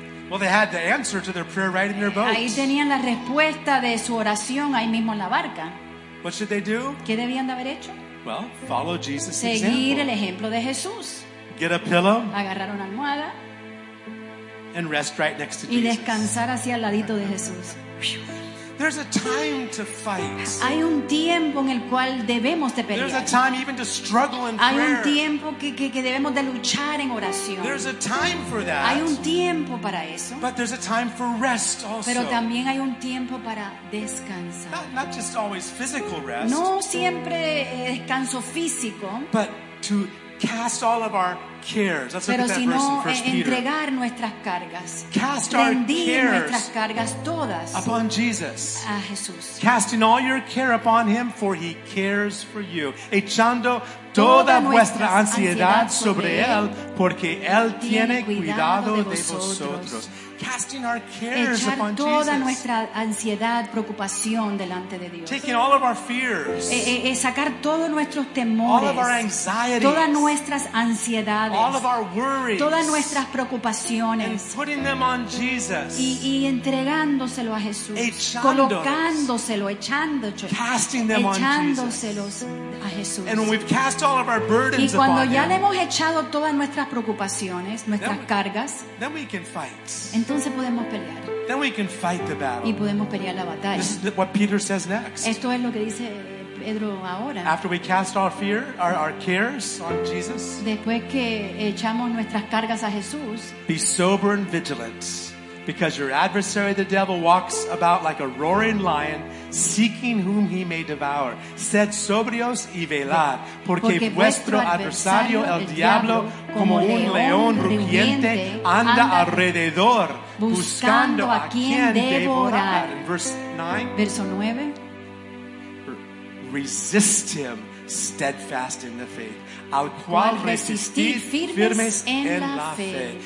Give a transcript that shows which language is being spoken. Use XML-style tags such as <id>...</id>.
<en>Well, they had the answer to their prayer right in their boat.</en> <es>Ahí tenían la respuesta de su oración ahí mismo en la barca.</es> <en>What should they do?</en> <es>¿Qué debían de haber hecho?</es> <en>Well, follow Jesus'</en> <es>seguir</es> <en>example.</en> <es>Seguir el ejemplo de Jesús.</es> <en>Get a pillow.</en> <es>Agarrar una almohada.</es> <en>And rest right next to</en> <es>y</es> <en>Jesus.</en> <es>Y descansar hacia al ladito de Jesús.</es> <en>There's a time to fight.</en> <es>Hay un tiempo en el cual debemos de pelear.</es> <en>There's a time even to struggle in prayer.</en> <es>Hay un tiempo que debemos de luchar en oración.</es> <en>There's a time for that.</en> <es>Hay un tiempo para eso.</es> <en>But there's a time for rest also.</en> <es>Pero también hay un tiempo para descansar.</es> <en>Not just always physical rest.</en> <es>No siempre descanso físico.</es> <en>But to cast all of our cares. Let's</en> <es>pero si no entregar nuestras cargas.</es> <en>Cast</en> <es>rendir</es> <en>our cares</en> <es>nuestras cargas todas</es> <en>upon Jesus.</en> <es>A Jesús.</es> <en>Casting all your care upon him, for he cares for you.</en> <es>Echando toda vuestra ansiedad sobre él, porque él tiene cuidado de vosotros.</es> <en>Casting our cares</en> <es>echar</es> <en>upon Jesus.</en> <es>Toda nuestra ansiedad, preocupación delante de Dios.</es> <en>Taking all of our fears.</en> <es>Sacar todos nuestros temores.</es> <en>All of our anxieties.</en> <es>Todas nuestras ansiedades.</es> <en>All of our worries.</en> <es>Todas nuestras preocupaciones.</es> <en>And putting them on Jesus.</en> <es>Y entregándoselo a Jesús. Echándolos. Colocándoselo, echándolo.</es> <en>Casting them</en> <es>echándoselos</es> <en>on Jesus. And when we've cast all of our burdens</en> <es>y cuando</es> <en>upon</en> <es>ya</es> <en>him,</en> <es>le hemos echado todas nuestras preocupaciones, nuestras cargas.</es> <en>Then we can fight.</en> <es>Entonces podemos pelear.</es> <en>Then we can fight the battle.</en> <es>Y podemos pelear la batalla.</es> <en>This is what Peter says next.</en> <es>Esto es lo que dice Pedro ahora.</es> <en>After we cast our fear, our cares on Jesus.</en> <es>Después que echamos nuestras cargas a Jesús.</es> <en>Be sober and vigilant, because your adversary the devil walks about like a roaring lion, seeking whom he may devour.</en> <es>Sed sobrios y velad, porque vuestro adversario el diablo, como un león rugiente, anda alrededor buscando a quien devorar. Verso 9.</es> <en>Resist him steadfast in the faith,</en> <es>al cual resistir firmes en la fe.</es>